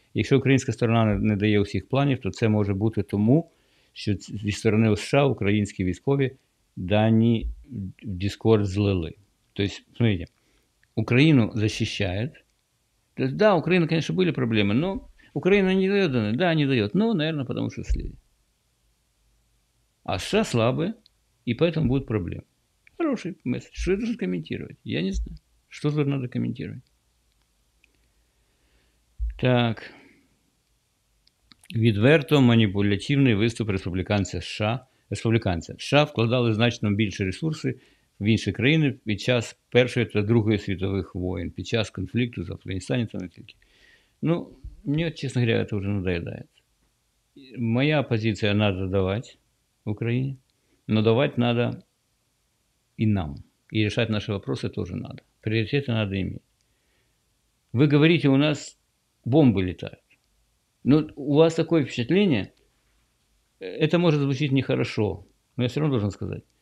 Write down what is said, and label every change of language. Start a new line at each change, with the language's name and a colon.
Ukrainian: Якщо українська сторона не дає усіх планів, то це може бути тому, що зі сторони США українські військові дані в Discord злили. Тобто, смотрите, Україну захищають. Так, да, Україна, звісно, були проблеми, але Україна не дає дані. Да, не дає, ну, наверное, тому що слідить.
Russian: А США слабые, и поэтому будут проблемы. Хороший месседж. Что я должен комментировать? Я не знаю. Что тут надо комментировать? Так.
Ukrainian: Відверто маніпулятивний виступ республіканця США. Республіканця. США вкладали значно більше ресурсів в інші країни під час Першої та Другої світових воєн, під час конфлікту з Афганістаном та не тільки. Ну, мені, чесно говоря, це вже надоїдає. Моя позиція – надо давати.
Russian: Украине. Но давать надо и нам. И решать наши вопросы тоже надо. Приоритеты надо иметь. Вы говорите, у нас бомбы летают. Но у вас такое впечатление, это может звучить нехорошо, но я все равно должен сказать.